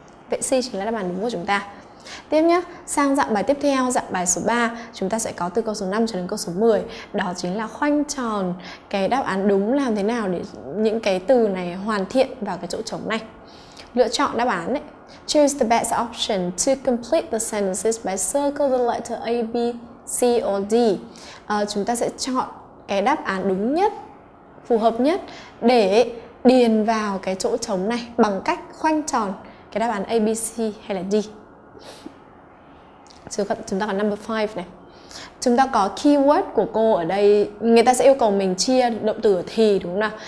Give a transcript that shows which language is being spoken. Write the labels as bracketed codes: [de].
[vi] Vậy C chính là đáp án đúng của chúng ta. Tiếp nhé, sang dạng bài tiếp theo, dạng bài số 3, chúng ta sẽ có từ câu số 5 cho đến câu số 10. Đó chính là khoanh tròn cái đáp án đúng làm thế nào để những cái từ này hoàn thiện vào cái chỗ trống này. Lựa chọn đáp án ấy. [en] Choose the best option to complete the sentences by circle the letter A, B, C or D. [vi] Chúng ta sẽ chọn cái đáp án đúng nhất, phù hợp nhất để điền vào cái chỗ trống này bằng cách khoanh tròn cái đáp án A, B, C hay là D. Chúng ta có number 5 này. Chúng ta có keyword của cô ở đây, người ta sẽ yêu cầu mình chia động từ thì, đúng không nào?